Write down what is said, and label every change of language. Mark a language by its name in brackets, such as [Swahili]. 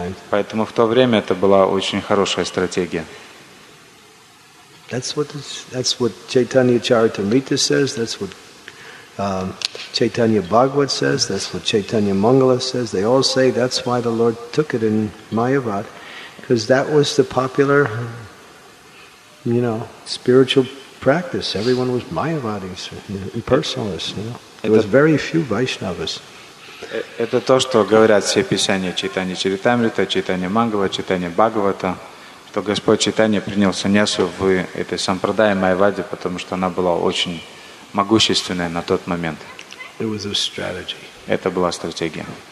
[Russian] Поэтому в то время это была очень хорошая стратегия. [English] That's what Chaitanya Charitamrita says, that's what Chaitanya Bhagavat says, that's what Chaitanya Mangala says. They all say that's why the Lord took it in Mayavad, because that was the popular, you know, spiritual practice. Everyone was Mayavadis, impersonalists, you know. There was very few Vaishnavas. [Russian] Это то, что говорят все писания Чайтаньи Чаритамриты, Чайтаньи Мангала, Чайтаньи Бхагавата, что Господь Чайтанья принял саньясу в этой сампрадае Майявади, потому что она была очень могущественная на тот момент. [English] It was a strategy. [Russian] Это была стратегия.